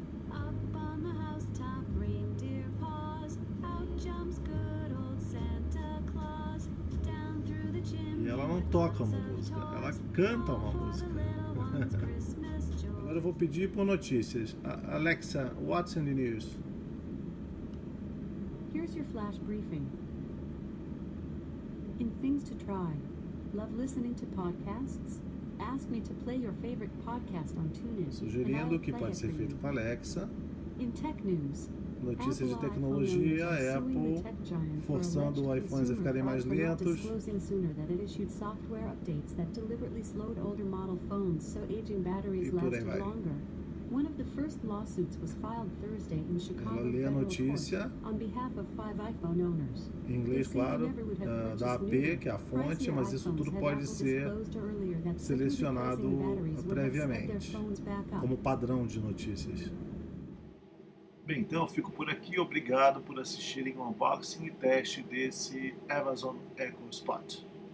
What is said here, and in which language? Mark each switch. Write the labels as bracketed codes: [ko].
[en] Up on the housetop, reindeer paws. Out jumps good old Santa Claus. Down through the chimney. [pt] E ela não toca uma música, ela canta uma música. Agora eu vou pedir por notícias. [en] Alexa, what's in the news? Here's your flash briefing. In things to try. Love listening to podcasts? Ask me to play your favorite podcast on TuneIn. [pt] Sugerindo o que pode ser feito com Alexa. [en] In tech news. [pt] Notícias Apple de tecnologia, Apple forçando os iPhones a ficarem mais lentos. [en] Software updates that deliberately slowed older model phones so aging batteries lasted longer. One of the first lawsuits was filed Thursday in Chicago. [pt] Ela lê a notícia [en] on behalf of five iPhone owners. [pt] Em inglês, claro, da AP, que é a fonte, mas isso tudo pode ser selecionado previamente como padrão de notícias. Bem, então eu fico por aqui. Obrigado por assistirem o unboxing e teste desse Amazon Echo Spot.